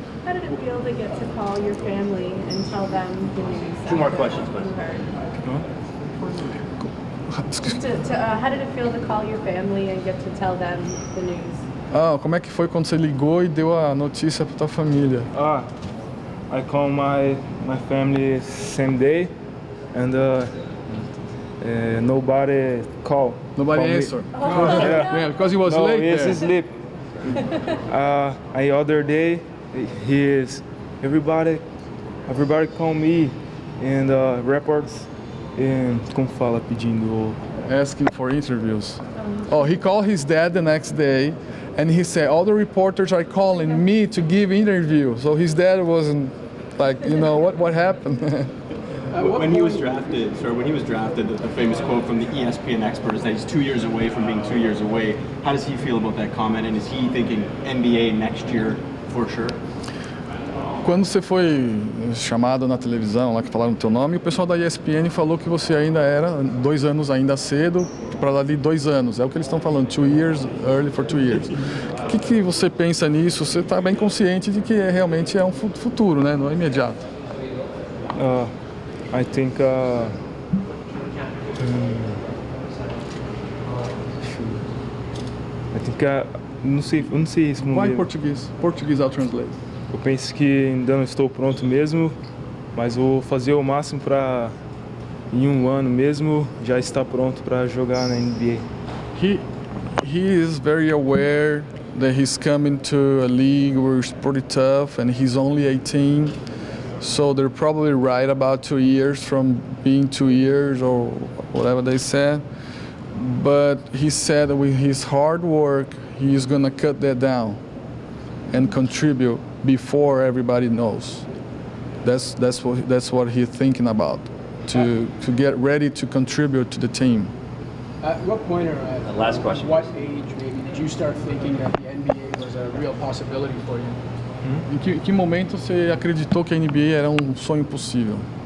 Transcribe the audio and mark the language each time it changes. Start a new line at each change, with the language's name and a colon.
English: How did it feel to get to call your family and tell them the news? Two more questions, please. How did it feel to call your family and get to tell them the news?
Portuguese: Ah, como é que foi quando você ligou e deu a notícia para tua família?
English: Ah, I called my family same day, and nobody called. Nobody answered. Oh. Yeah. Yeah, because he was no, late. No, he's asleep. The other day. He is. Everybody call me in the reports and
Portuguese: como fala pedindo.
English: Asking for interviews. Oh, he called his dad the next day and he said, all the reporters are calling me to give interview. So his dad wasn't like, you know, what happened? When he was drafted, the famous quote from the ESPN expert is that he's 2 years away from being 2 years away. How does he feel about that comment? And is he thinking NBA next year for sure?
Portuguese: Quando você foi chamado na televisão, lá que falaram o teu nome, o pessoal da ESPN falou que você ainda era 2 anos ainda cedo para dali 2 anos. É o que eles estão falando,
English: 2 years early for 2 years.
Portuguese: O que você pensa nisso? Você está bem consciente de que realmente é um futuro, né? Não é imediato.
English: I think I think
Portuguese: não sei isso. Vai em português. Português,
English: I'll translate.
Portuguese: Eu penso que ainda não estou pronto mesmo, mas vou fazer o máximo para, em um ano mesmo, já estar pronto para jogar na NBA.
English: He is very aware that he's coming to a league where it's pretty tough and he's only 18, so they're probably right about 2 years from being 2 years or whatever they said. But he said that with his hard work, he's going to cut that down and contribute. Before everybody knows, that's what he's thinking about, to get ready to contribute to the team. At what point, or at the last question, what age maybe did you start thinking that the NBA was a real possibility for you?
Portuguese: Em que momento você acreditou que a NBA era um sonho possível?